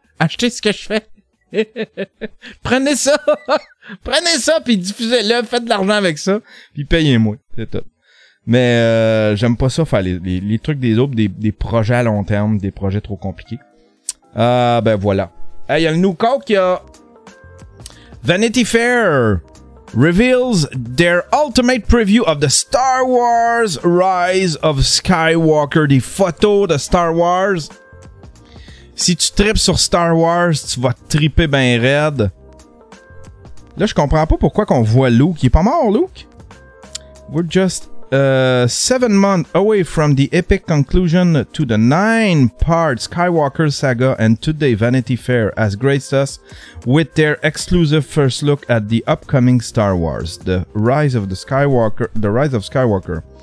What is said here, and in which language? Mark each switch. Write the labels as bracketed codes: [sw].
[fr] Acheter ce que je fais. Prenez ça. Prenez ça, puis diffusez-le. Faites de l'argent avec ça. Puis payez-moi. C'est top. Mais j'aime pas ça, faire les trucs des autres, des projets à long terme, des projets trop compliqués. Ben voilà. Il y a le New Coke, il y a... [en] Vanity Fair reveals their ultimate preview of the Star Wars Rise of Skywalker. [fr] Des photos de Star Wars. Si tu tripes sur Star Wars, tu vas triper ben raide. Là, je comprends pas pourquoi qu'on voit Luke. Il est pas mort, Luke. [en] We're just 7 months away from the epic conclusion to the 9-part Skywalker saga, and today Vanity Fair has graced us with their exclusive first look at the upcoming Star Wars, The Rise of Skywalker.